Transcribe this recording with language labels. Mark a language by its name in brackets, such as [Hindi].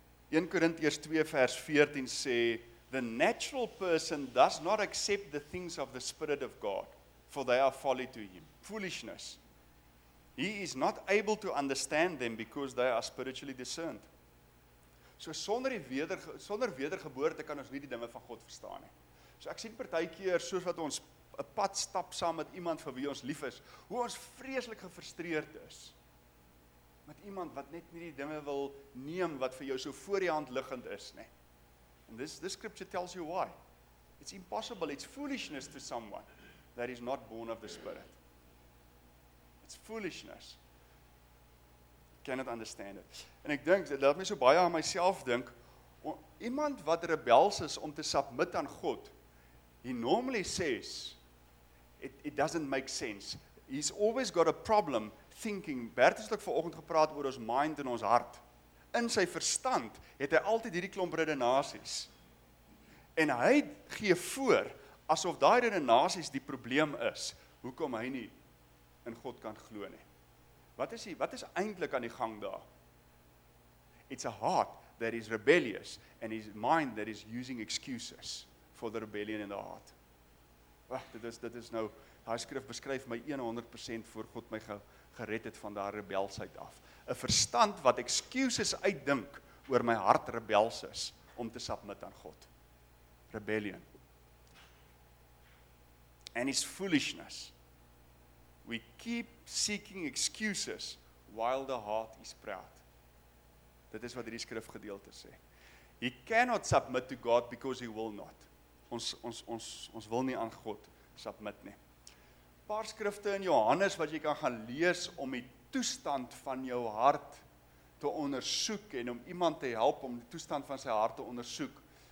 [English] 1 Corinthians 2 [Afrikaans] vers 14 sê, [English] the natural person does not accept the things of the Spirit of God, for they are folly to him. Foolishness. He is not able to understand them because they are spiritually discerned. [Afrikaans] So sonder wedergeboorte kan ons nie die dinge van God verstaan nie. So ek sien partykeer soos wat ons 'n pad stap saam met iemand vir wie ons lief is, hoe ons vreeslik gefrustreerd is met iemand wat net nie die dinge wil neem wat vir jou so voor die hand liggend is nie. [English] And this scripture tells you why. It's impossible, it's foolishness to someone that is not born of the Spirit. It's foolishness. You cannot understand it. [Afrikaans] En ek dink, dit laat my so baie aan myself dink, iemand wat rebels is om te submit aan God, [English] he normally says, it doesn't make sense. He's always got a problem thinking. [Afrikaans] Bert het ook vanoggend gepraat oor ons mind en ons hart. In sy verstand het hy altyd hierdie klomp redenasies. En hy gee voor asof daai redenasies die probleem is. Hoekom hy nie in God kan glo nie. Wat is eintlik aan die gang daar? [English] It's a heart that is rebellious and his mind that is using excuses for the rebellion in the heart. [Afrikaans] Wag, dit is nou, daai skrif beskryf my 100% voor God my gered het van daai rebelsheid af. 'N Verstand wat excuses uitdink oor my hart rebels is om te submit aan God. Rebellion. [English] And his foolishness. We keep seeking excuses while the heart is proud. [Afrikaans] Dit is wat hierdie skrifgedeelte sê. [English] He cannot submit to God because he will not. [Afrikaans] Ons wil nie aan God submit nie. Paar skrifte in Johannes wat jy kan gaan lees om die toestand van jou hart te ondersoek en om iemand te help om die toestand van sy hart te ondersoek.